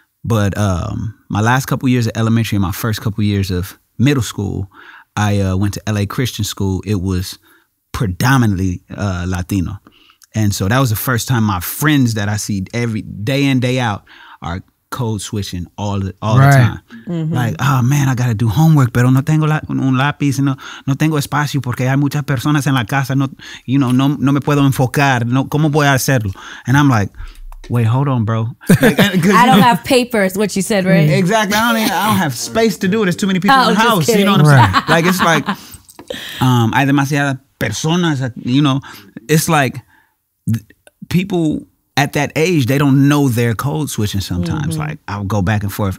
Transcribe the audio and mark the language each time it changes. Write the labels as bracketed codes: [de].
[en] But my last couple years of elementary and my first couple years of middle school, I went to LA Christian School. It was predominantly Latino. And so that was the first time my friends that I see every day in, day out are code switching all the time. Mm-hmm. Like, oh man, I gotta do homework, [es] pero no tengo un lápiz, no tengo espacio porque hay muchas personas en la casa, no me puedo enfocar, no, ¿cómo voy a hacerlo? [en] And I'm like, wait, hold on, bro. I don't have papers, what you said, right? Exactly. I don't have space to do it. There's too many people in the house. Kidding. You know what I'm right. saying? Like, it's like, [es] hay demasiadas personas, [en] you know? It's like, people at that age, they don't know their code switching sometimes. Mm-hmm. Like, I'll go back and forth.